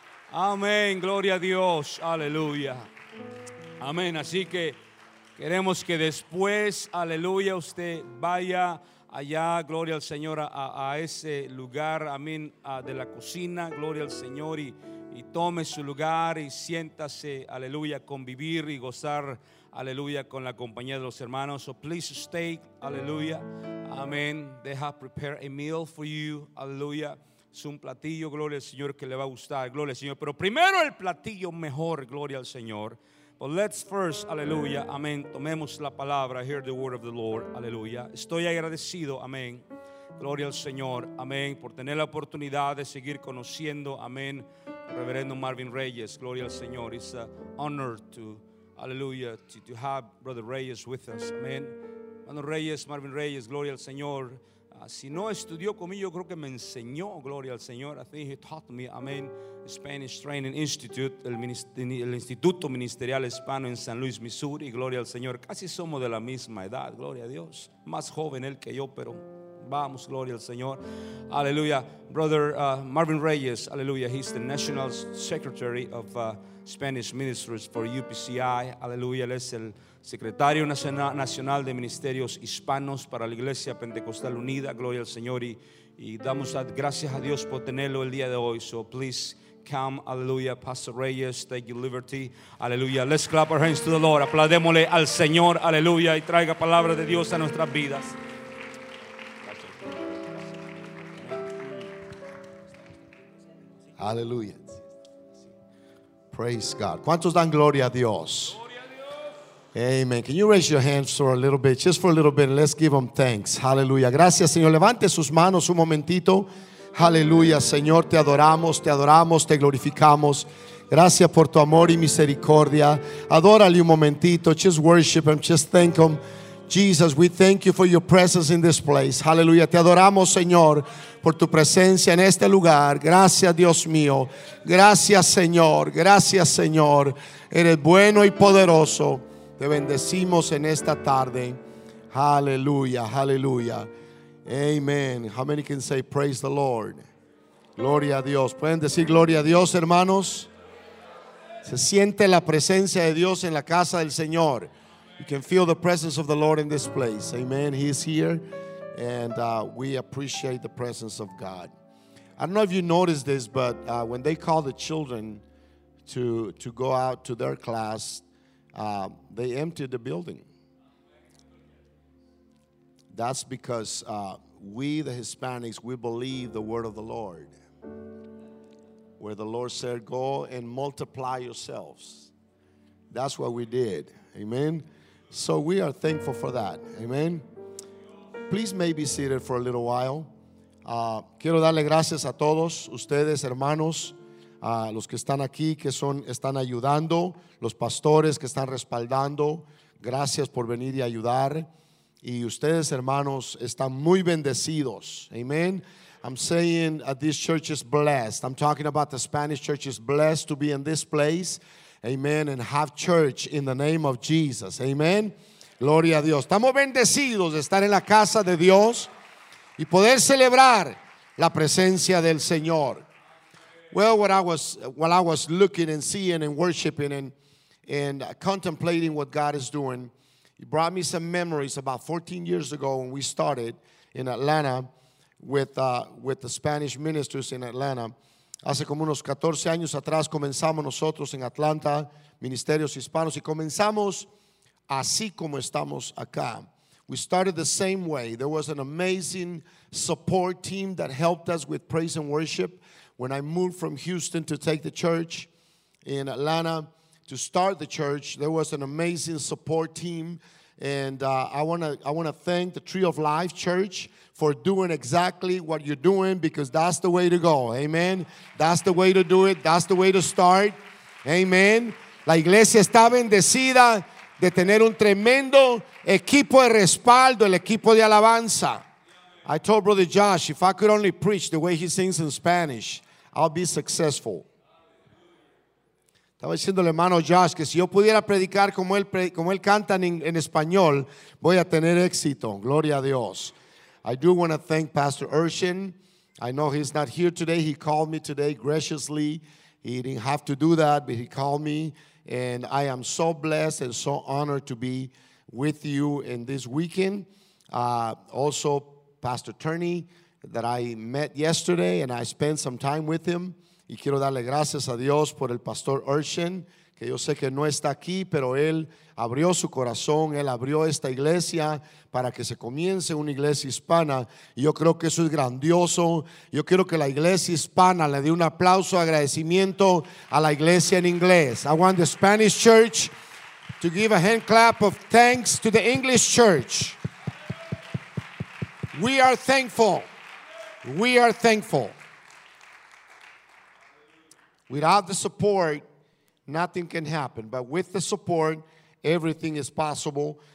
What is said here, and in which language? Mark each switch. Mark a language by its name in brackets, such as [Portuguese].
[Spanish] Amén, gloria a Dios, aleluya. Amén, así que queremos que después, aleluya, usted vaya allá, gloria al Señor, a ese lugar, amén, de la cocina, gloria al Señor, y tome su lugar y siéntase, aleluya, convivir y gozar, aleluya, con la compañía de los hermanos. [English] So please stay, aleluya, amén. They have prepared a meal for you, aleluya. [Spanish] Es un platillo, gloria al Señor, que le va a gustar, gloria al Señor. Pero primero el platillo mejor, gloria al Señor. [English] But let's first, [Spanish] aleluya, amén, tomemos la palabra. [English] I hear the word of the Lord, [Spanish] aleluya. Estoy agradecido, amén, gloria al Señor, amén, por tener la oportunidad de seguir conociendo, amén, Reverendo Marvin Reyes, gloria al Señor. [English] It's an honor to, aleluya, to have Brother Reyes with us, amén. [Spanish] Hermano Reyes, Marvin Reyes, gloria al Señor. Si no estudió conmigo, yo creo que me enseñó, gloria al Señor. [English] I think he taught me, amén, Spanish Training Institute, el Instituto Ministerial Hispano en San Luis, Missouri, [Spanish] gloria al Señor. Casi somos de la misma edad, gloria a Dios. Más joven él que yo, pero vamos, gloria al Señor, aleluya. [English] Brother Marvin Reyes, aleluya, he's the National Secretary of Spanish Ministries for UPCI, aleluya. [Spanish] Él es el Secretario Nacional de Ministerios Hispanos para la Iglesia Pentecostal Unida, gloria al Señor, y damos gracias a Dios por tenerlo el día de hoy. [English] So please come, aleluya, Pastor Reyes, take your liberty, aleluya. Let's clap our hands to the Lord, [Spanish] aplaudémosle al Señor, aleluya, y traiga palabra de Dios a nuestras vidas. [English] Aleluya. Praise God. [Spanish] ¿Cuántos dan gloria a Dios? [English] Amen. Can you raise your hands for a little bit? Just for a little bit. Let's give them thanks. Hallelujah. [Spanish] Gracias, Señor. Levante sus manos un momentito. Hallelujah. Señor, te adoramos, te glorificamos. Gracias por tu amor y misericordia. Adórale un momentito. [English] Just worship him. Just thank him. Jesus, we thank you for your presence in this place. Hallelujah. [Spanish] Te adoramos, Señor, por tu presencia en este lugar. Gracias, Dios mío. Gracias, Señor. Gracias, Señor. Eres bueno y poderoso. Te bendecimos en esta tarde. Hallelujah. Hallelujah. Amen. [English] How many can say praise the Lord? [Spanish] Gloria a Dios. Pueden decir gloria a Dios, hermanos. Se siente la presencia de Dios en la casa del Señor. [English] You can feel the presence of the Lord in this place. Amen. He is here. And we appreciate the presence of God. I don't know if you noticed this, but when they call the children to go out to their class, they emptied the building. That's because we, the Hispanics, we believe the word of the Lord. Where the Lord said, go and multiply yourselves. That's what we did. Amen. So we are thankful for that. Amen. Please may be seated for a little while. [Spanish] Quiero darle gracias a todos ustedes, hermanos, los que están aquí, que son están ayudando, los pastores que están respaldando. Gracias por venir y ayudar. Y ustedes, hermanos, están muy bendecidos. [English] Amen. I'm saying this church is blessed. I'm talking about the Spanish church is blessed to be in this place. Amen. And have church in the name of Jesus. [Spanish] Amen. Gloria a Dios. Estamos bendecidos de estar en la casa de Dios y poder celebrar la presencia del Señor. [English] Well, while I was looking and seeing and worshiping and contemplating what God is doing, it brought me some memories about 14 years ago when we started in Atlanta with the Spanish ministers in Atlanta. [Spanish] Hace como unos 14 años atrás comenzamos nosotros en Atlanta, ministerios hispanos, y comenzamos así como estamos acá. [English] We started the same way. There was an amazing support team that helped us with praise and worship. When I moved from Houston to take the church in Atlanta to start the church, there was an amazing support team. And I want to thank the Tree of Life Church for doing exactly what you're doing, because that's the way to go. Amen. That's the way to do it. That's the way to start. Amen. [Spanish] La iglesia está bendecida de tener un tremendo equipo de respaldo, el equipo de alabanza. [English] I told Brother Josh, if I could only preach the way he sings in Spanish, I'll be successful. [Spanish] Estaba diciendo al hermano Josh que si yo pudiera predicar como él canta en español, voy a tener éxito. Gloria a Dios. [English] I do want to thank Pastor Urshan. I know he's not here today. He called me today graciously. He didn't have to do that, but he called me. And I am so blessed and so honored to be with you in this weekend. Also, Pastor Turney, that I met yesterday and I spent some time with him. [Spanish] Y quiero darle gracias a Dios por el Pastor Urshan, que yo sé que no está aquí, pero él abrió su corazón, él abrió esta iglesia para que se comience una iglesia hispana. Y yo creo que eso es grandioso. Yo quiero que la iglesia hispana le dé un aplauso, agradecimiento a la iglesia en inglés. [English] I want the Spanish church to give a hand clap of thanks to the English church. We are thankful. We are thankful. Without the support, nothing can happen. But with the support, everything is possible.